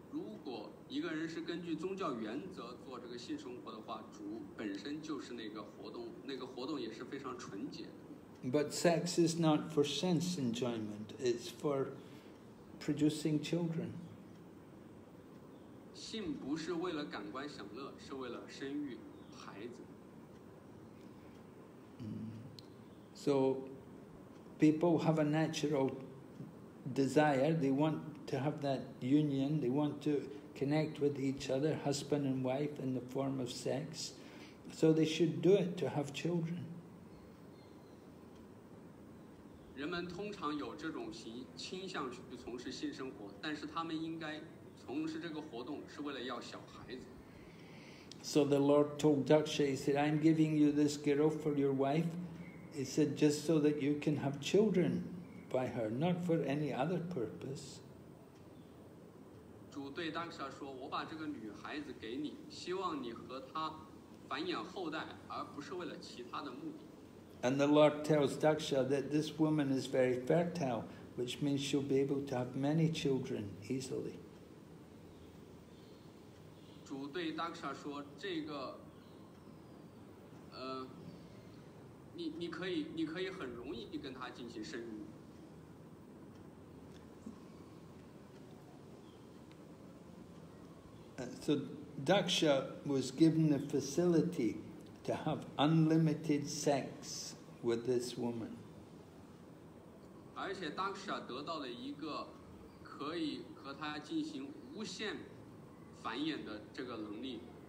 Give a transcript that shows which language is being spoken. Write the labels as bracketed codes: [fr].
[zh] 如果一个人是根据宗教原则做这个性生活的话，主本身就是那个活动，那个活动也是非常纯洁的。 [en] But sex is not for sense enjoyment, it's for producing children. [zh] 性不是为了感官享乐，是为了生育孩子。 [en] So people have a natural desire, they want to have that union, they want to connect with each other, husband and wife, in the form of sex. So they should do it to have children. [zh] 人们通常有这种倾向去从事性生活，但是他们应该从事这个活动是为了要小孩子。 [en] So the Lord told Daksha, he said, I'm giving you this girl for your wife. He said, just so that you can have children by her, not for any other purpose. [zh] 主对 Daksha 说，我把这个女孩子给你，希望你和她繁衍后代，而不是为了其他的目的。 [en] And the Lord tells Daksha that this woman is very fertile, which means she'll be able to have many children easily. [zh] 主对 Daksha 说，这个，你可以很容易跟她进行生育。 [en] So Daksha was given the facility to have unlimited sex. With this woman. [zh] 而且当时得到了一个可以和她进行无限繁衍的这个能力。